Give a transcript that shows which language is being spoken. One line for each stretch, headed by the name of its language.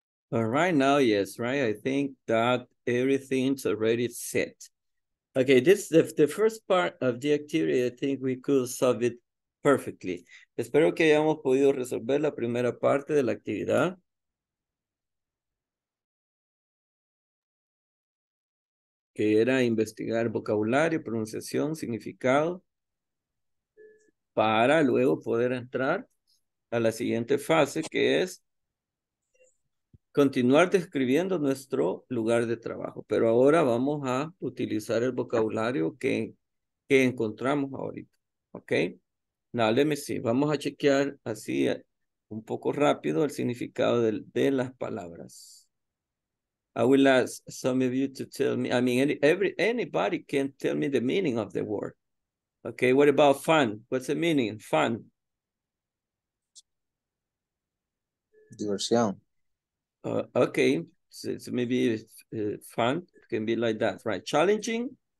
English: All right, now, yes, right? I think that everything's already set. Okay, this is the first part of the activity. I think we could solve it perfectly.
Spanish: Espero que hayamos podido resolver la primera parte de la actividad. Que era investigar vocabulario, pronunciación, significado, para luego poder entrar a la siguiente fase, que es continuar describiendo nuestro lugar de trabajo. Pero ahora vamos a utilizar el vocabulario que encontramos ahorita. ¿Ok?
English: Now, let me see.
Spanish: Vamos a chequear así un poco rápido el significado de las palabras.
English: I will ask some of you to tell me. I mean, anybody can tell me the meaning of the word.
Spanish: ¿Ok?
English: What about fun? What's the meaning? Fun.
Spanish: Diversión.
English: Okay, so maybe fun can be like that, right? Challenging?